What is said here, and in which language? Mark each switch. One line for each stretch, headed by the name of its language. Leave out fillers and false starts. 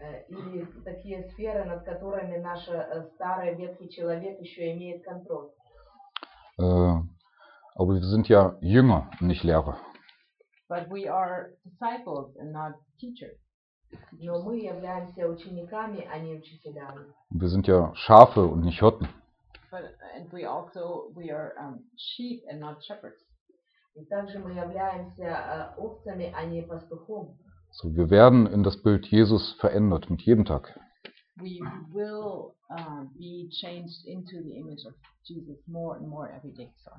Russian: Или такие сферы, над которыми наш старый ветхий человек еще имеет контроль.
German: Aber wir sind ja Jünger, nicht Lehrer.
English: But we are disciples and not teachers.
Russian: Но мы являемся учениками, а не учителями.
German: Wir sind ja Schafe und nicht Hirten.
English: And we are sheep and not shepherds.
Russian: И также мы являемся овцами, а не пастухом.
German: So, wir werden in das Bild Jesus verändert mit jedem Tag.
English: We will be changed into the image of Jesus more and more every day.